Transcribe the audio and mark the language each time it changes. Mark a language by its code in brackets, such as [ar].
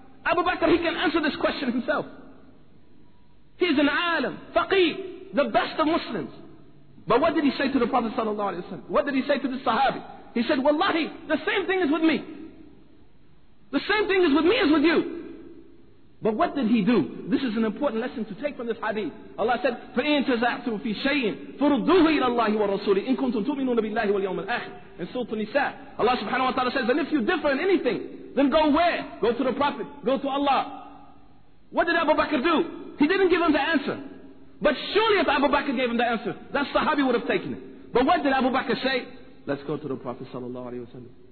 [en] Abu Bakr, he can answer this question himself. He's an alim, faqih, the best of Muslims. But what did he say to the Prophet sallallahu alayhi wa sallam? What did he say to the Sahabi? He said, wallahi, the same thing is with me. The same thing is with me as with you. But what did he do? This is an important lesson to take from this hadith. [ar] Allah said, فَإِن تَزَعْتُمْ فِي شَيْءٍ فَرُدُّوهُ إِلَى اللَّهِ وَالرَّسُولِ إِن كُنْتُمْ تُؤْمِنُونَ بِاللَّهِ وَالْيَوْمِ الْآخِرِ. [en] In Surah Nisa, Allah subhanahu wa ta'ala says, and if you differ in anything, then go where? Go to the Prophet. Go to Allah. What did Abu Bakr do? He didn't give him the answer. But surely if Abu Bakr gave him the answer, that Sahabi would have taken it. But what did Abu Bakr say? Let's go to the Prophet sallallahu alayhi wa sallam.